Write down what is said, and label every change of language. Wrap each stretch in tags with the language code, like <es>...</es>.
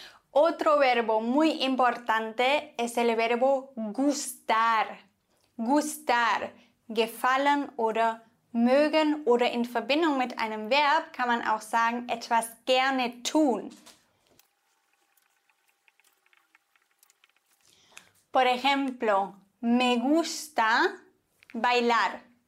<es>Otro verbo muy importante es el verbo gustar.</es> <de>Gustar, gefallen oder mögen oder in Verbindung mit einem Verb kann man auch sagen, etwas gerne tun.</de> <es>Por ejemplo, me gusta bailar.</es>